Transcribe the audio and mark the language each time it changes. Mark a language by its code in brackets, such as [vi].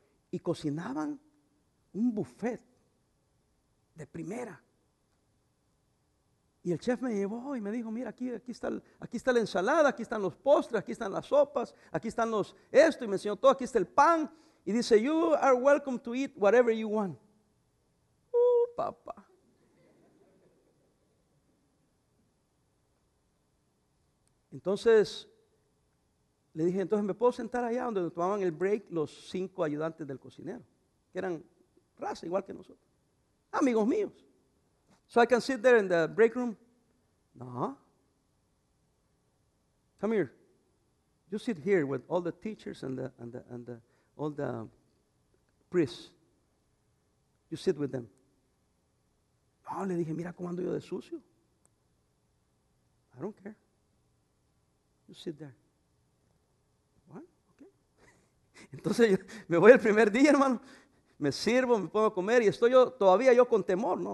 [es] Y cocinaban un buffet de primera. Y el chef me llevó y me dijo, mira, aquí está la ensalada, aquí están los postres, aquí están las sopas, aquí están los esto. Y me enseñó todo, aquí está el pan. Y dice, [en] you are welcome to eat whatever you want. [es] Papá. Entonces, le dije, entonces, ¿me puedo sentar allá donde tomaban el break los 5 ayudantes del cocinero? Que eran raza, igual que nosotros. Amigos míos. [en] So I can sit there in the break room. No. Come here. You sit here with all the teachers all the priests. You sit with them. [es] No, le dije, mira cómo ando yo de sucio. [en] I don't care. Sit there. What? Okay. [es] Entonces yo me voy el primer día, hermano. Me sirvo, me pongo a comer y estoy todavía con temor, ¿no?